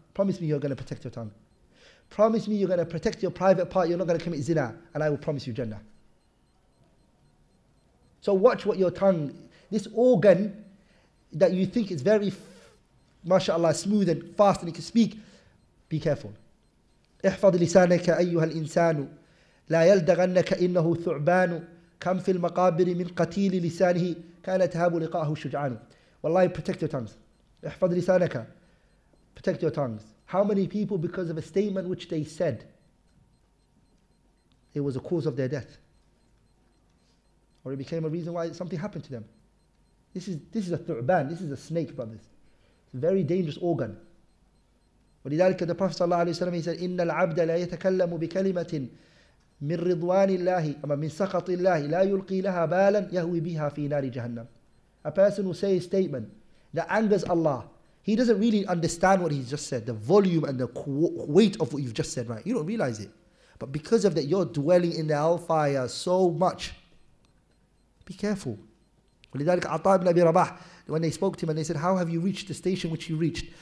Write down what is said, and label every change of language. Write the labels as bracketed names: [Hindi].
[English] Promise me you're going to protect your tongue. Promise me you're going to protect your private part. You're not going to commit zina, and I will promise you Jannah. So watch what your tongue, this organ that you think is very, mashallah, smooth and fast, and it can speak. Be careful. [Arabic] احفظ لسانك أيها الإنسان لا يلدغنك إنه ثعبان كم في المقابر من قتيل لسانه كان تهاب لقاءه شجعان. [English] Wallahi, protect your tongues. [Arabic] احفظ لسانك. [English] Protect your tongues. How many people, because of a statement which they said, it was a cause of their death, or it became a reason why something happened to them? This is a ثعبان. This is a snake, brothers. Very dangerous organ. [Arabic] ولذلك [English] the Prophet [Arabic] صلى الله عليه وسلم said, إن العبد لا يتكلم بكلمة من رضوان الله أما من سخط الله لا يلقي لها بالا يهوي بها في نار جهنم. [English] A person who says a statement that angers Allah, he doesn't really understand what he just said, the volume and the weight of what you've just said, right? You don't realize it. But because of that, you're dwelling in the hellfire so much. Be careful. ولذلك عطاء بن أبي رباح, when they spoke to him and they said, how have you reached the station which you reached?